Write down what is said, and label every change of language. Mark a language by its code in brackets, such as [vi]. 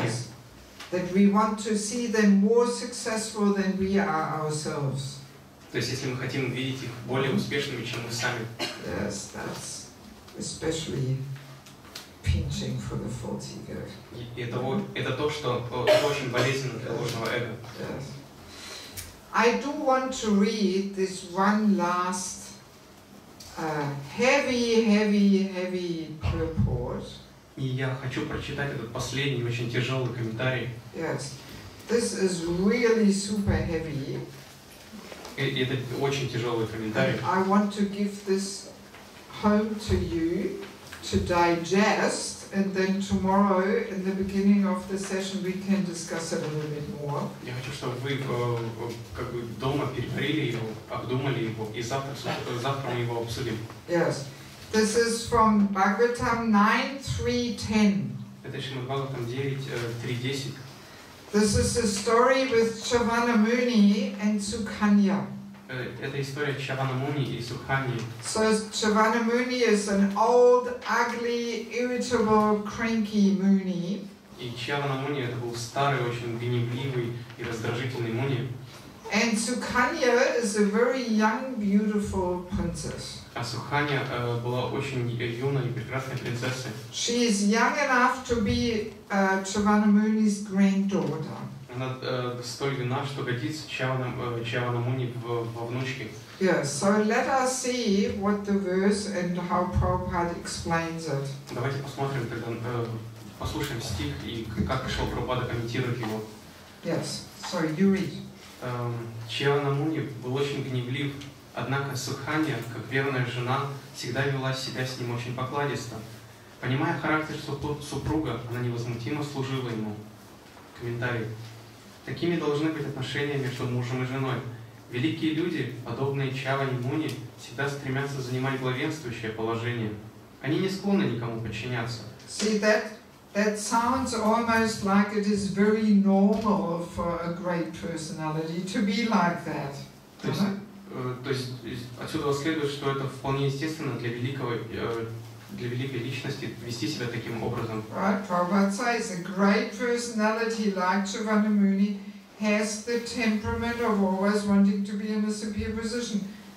[en] Yes. That we want to see them more successful than we are ourselves. [ru] То есть, если мы хотим видеть их более успешными, чем мы сами. [en] Yes, that's especially pinching for the false ego. [ru] Это то, что очень болезненно для ложного эго. [en] Yes. I do want to read this one last heavy report. [ru] И я хочу прочитать этот последний очень тяжелый комментарий. [en] Yes, this is really super heavy. [ru] Это очень тяжелый комментарий. [en] And I want to give this home to you to digest, and then tomorrow in the beginning of the session we can discuss it a little bit more. [ru] Я хочу, чтобы вы как бы дома переварили его, обдумали его, и завтра мы его обсудим. [en] Yes. This is from Bhagavatam 9.3.10. [ru] Это Шримад Бхагаватам 9.3.10. [en] This is a story with Chavanamuni and Sukanya. [ru] Это история Чаванамуни и Сукханьи. [en] So Chavanamuni is an old, ugly, irritable, cranky Muni. [ru] И Чаванамуни это был старый, очень гневливый и раздражительный Муни. [en] And Sukanya is a very young, beautiful princess. [ru] А Суханья была очень юной и прекрасной принцессой. [en] She is young enough to be Chavanamuni's granddaughter. [ru] Она столь юна, что годится Чаванамуни во внучки. [en] Yes, so let us see what the verse and how Prabhupada explains it. [ru] Давайте посмотрим, тогда послушаем стих и как Шрила Прабхупада комментирует его. [en] Yes, so you read. [ru] Чаванамуни был очень гневлив. Однако Суханья, как верная жена, всегда вела себя с ним очень покладисто. Понимая характер супруга, она невозмутимо служила ему. Комментарий. Такими должны быть отношения между мужем и женой. Великие люди, подобные Чаване Муни, всегда стремятся занимать главенствующее положение. Они не склонны никому подчиняться. [en] See that? That sounds almost like it is very normal for a great personality to be like that. [ru] То есть отсюда следует, что это вполне естественно для великой личности вести себя таким образом. [en] Right, Prabhupada says a great personality like Chavanamuni has the temperament of always wanting to be in a superior position.